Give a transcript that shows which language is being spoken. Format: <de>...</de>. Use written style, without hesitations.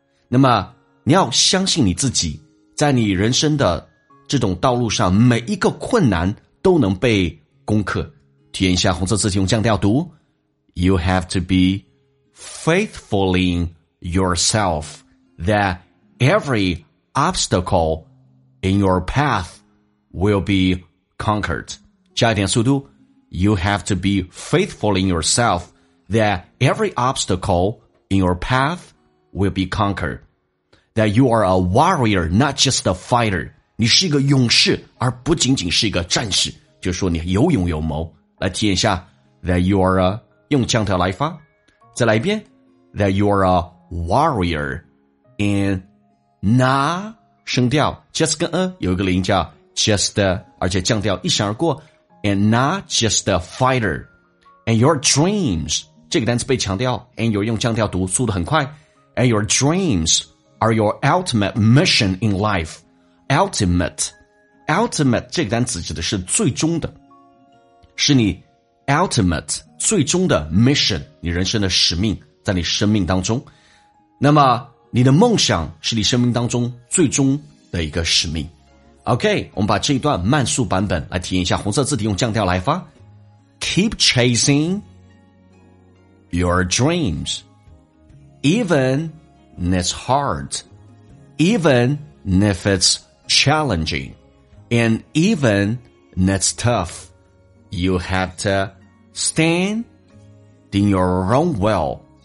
<zh>那么你要相信你自己，在你人生的这种道路上，每一个困难都能被攻克。</zh> <en>体验一下红色字体用降调读 You have to be faithful in yourselfThat every obstacle in your path will be conquered.</en> <zh>加一点速度。</zh> <en>You have to be faithful in yourself, that every obstacle in your path will be conquered. That you are a warrior, not just a fighter.</en> <zh>你是一个勇士，而不仅仅是一个战士。就是说你有勇有谋。来体验一下。 That you are a, 用降调来发。再来一遍。</zh> <en>That you are a warrior. And nah, 声调 just 跟 a, 有一个连音叫 just, 而且降调一闪而过 and not just a fighter. And your dreams, 这个单词被强调 and your 用降调读速度很快 and your dreams are your ultimate mission in life.</en> <zh>Ultimate 这个单词指的是最终的，是你 ultimate 最终的 mission, 你人生的使命在你生命当中。那么你的梦想是你生命当中最终的一个使命。 OK, 我们把这一段慢速版本来体验一下，红色字体用降调来发。</zh> <en>Keep chasing your dreams, even if it's challenging, and even if it's tough, you have to stand in your own will.</en>